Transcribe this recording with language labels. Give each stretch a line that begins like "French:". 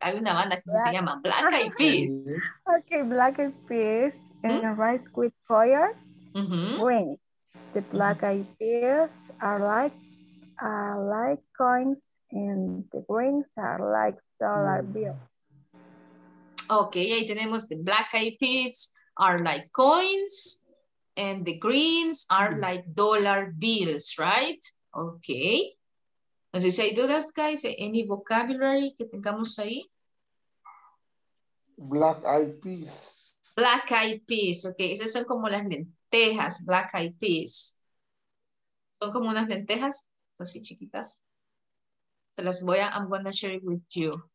Spanish: Hay una banda que se llama Black Eyed Peas.
English: Okay, Black Eyed Peas and rice with fire. Mm-hmm. Wings. The Black Eyed Peas are like coins and the greens are like dollar bills. Okay,
Spanish: ahí tenemos
English: the black eyed peas are like coins and the greens are like dollar bills, right? Okay.
Spanish: No sé si hay dudas,
English: guys, any vocabulary
Spanish: que tengamos ahí.
English: Black eyed peas. Black eyed peas, okay.
Spanish: Esas son como las lentejas, black eyed peas. Son como unas lentejas, así chiquitas. Se las voy a,
English: I'm going to share it with you.